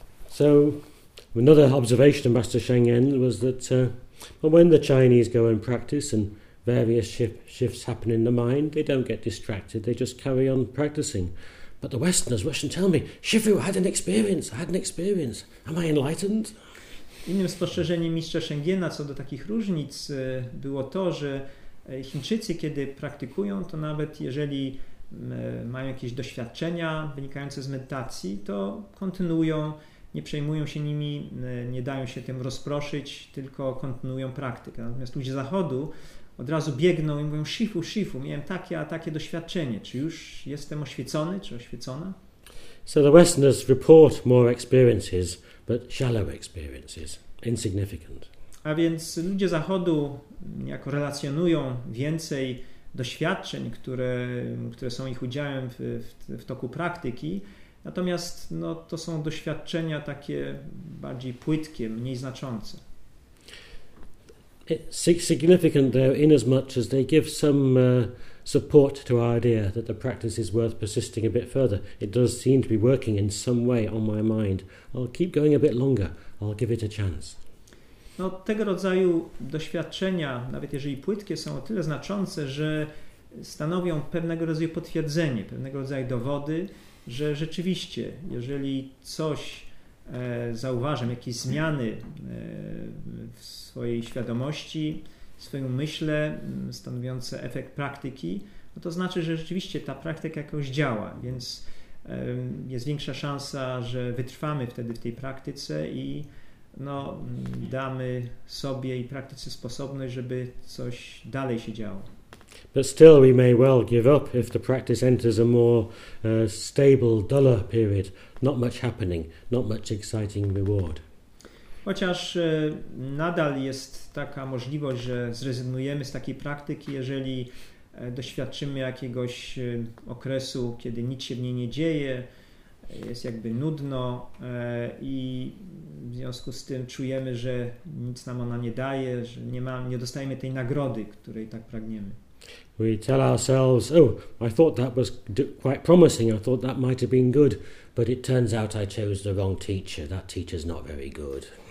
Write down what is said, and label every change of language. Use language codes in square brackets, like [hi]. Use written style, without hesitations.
[en] So another observation of Master Sheng Yen was that when the Chinese go and practice and various shifts happen in the mind, they don't get distracted, they just carry on practicing. But the Westerners rush and tell me, Shifu, I had an experience, am I enlightened? [pl] Innym spostrzeżeniem mistrza Sheng Yena co do takich różnic było to, że Chińczycy, kiedy praktykują, to nawet jeżeli mają jakieś doświadczenia wynikające z medytacji, to kontynuują, nie przejmują się nimi, nie dają się tym rozproszyć, tylko kontynuują praktykę. Natomiast ludzie Zachodu od razu biegną i mówią, Shifu, miałem takie a takie doświadczenie. Czy już jestem oświecony, czy oświecona? [en] So the Westerners report more experiences, but shallow experiences, insignificant. [pl] A więc ludzie Zachodu jako relacjonują więcej doświadczeń, które są ich udziałem w toku praktyki, natomiast no, to są doświadczenia takie bardziej płytkie, mniej znaczące. [en] It's significant though, in as much as they give some support to our idea that the practice is worth persisting a bit further. It does seem to be working in some way on my mind. I'll keep going a bit longer. I'll give it a chance. [pl] No, tego rodzaju doświadczenia, nawet jeżeli płytkie, są o tyle znaczące, że stanowią pewnego rodzaju potwierdzenie, pewnego rodzaju dowody, że rzeczywiście, jeżeli coś zauważam, jakieś zmiany w swojej świadomości, w swoim myśle, stanowiące efekt praktyki, no to znaczy, że rzeczywiście ta praktyka jakoś działa, więc jest większa szansa, że wytrwamy wtedy w tej praktyce i no, damy sobie i praktyce sposobność, żeby coś dalej się działo. [en] But still we may well give up if the practice enters a more stable, duller period. Not much happening, not much exciting reward. [pl] Chociaż nadal jest taka możliwość, że zrezygnujemy z takiej praktyki, jeżeli doświadczymy jakiegoś okresu, kiedy nic się w niej nie dzieje, jest jakby nudno i w związku z tym czujemy, że nic nam ona nie daje, że nie dostajemy tej nagrody, której tak pragniemy. [en] We tell ourselves, oh, I thought that was quite promising, I thought that might have been good, but it turns out I chose the wrong teacher, that teacher's not very good.